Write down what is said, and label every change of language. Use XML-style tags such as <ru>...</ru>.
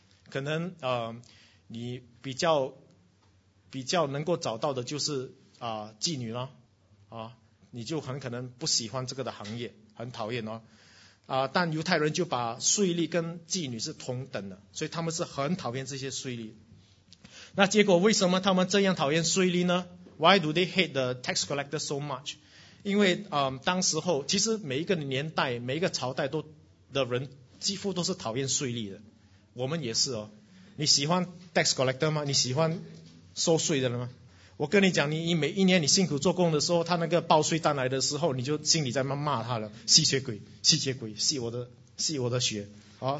<zh>可能你比较能够找到的就是妓女啦。你就很可能不喜欢这个的行业，很讨厌哦。但犹太人就把税吏跟妓女是同等的，所以他们是很讨厌这些税吏。那结果为什么他们这样讨厌税吏呢？</zh> <en>Why do they hate the tax collector so much?</en> <zh>因为当时候其实每一个年代每一个朝代都的人几乎都是讨厌税吏的，我们也是哦。你喜欢</zh> <en>tax collector</en> <zh>吗？你喜欢收税的人吗？我跟你讲，你每一年你辛苦做工的时候，他那个报税单来的时候，你就心里在骂他了：吸血鬼，吸血鬼，吸我的血啊！</zh>